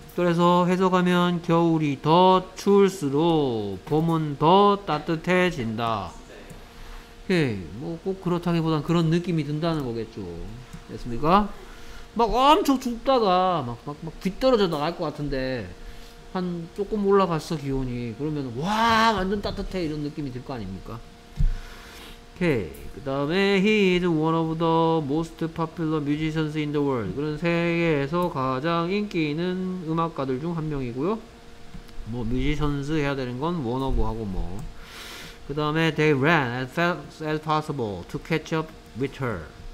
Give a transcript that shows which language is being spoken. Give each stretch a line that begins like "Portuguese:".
Korean: 그래서 해석하면 겨울이 더 추울수록 봄은 더 따뜻해진다. 오케이. 뭐 꼭 그렇다기보단 그런 느낌이 든다는 거겠죠. 됐습니까? 막 엄청 춥다가 막 뒤떨어져 나갈 것 같은데 한 조금 올라갔어 기온이. 그러면 와 완전 따뜻해 이런 느낌이 들 거 아닙니까? 오케이. 그 다음에
English: He is one of the most popular musicians in the world.
Korean: 그런 세계에서 가장 인기 있는 음악가들 중 한 명이고요. 뭐 musicians 해야 되는 건 one of 하고 뭐. 그 다음에
English: They ran as fast as possible to catch up with her.